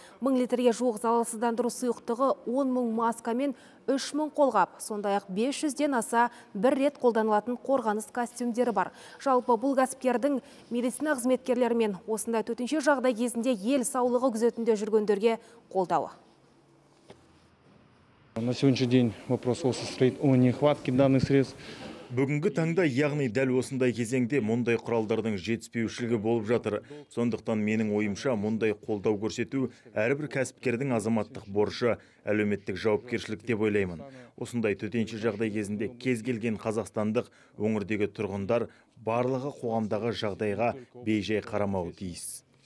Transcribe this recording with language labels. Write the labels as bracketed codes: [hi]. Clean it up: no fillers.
[kk] 1000 литрге жуық залалсыздандыру сұйықтығы, 10000 маска мен 3000 қолғап, сондай-ақ 500-ден аса бір рет қолданылатын қорғаныс костюмдері бар. Жалпы бұл кәсіпкердің медицина қызметкерлері мен осындай төтенше жағдай кезінде ел саулығы күзетінде жүргендерге қолдауы. [ru] На сегодняшний день вопрос [kk] осы [ru] стоит о нехватке данных средств. [kk] Бүгінгі таңда, яғни дәл осындай кезеңде, мұндай құралдардың жетіспеушілігі болып жатыр. Сондықтан менің ойымша, мұндай қолдау көрсету, әрбір кәсіпкердің азаматтық борышы, әлеуметтік жауапкершілік деп ойлаймын. Осындай төтенше жағдай кезінде кез келген қазақстандық өңірдегі тұрғындар барлығы қоғамдағы жағдайға бейжай қарамауы тиіс.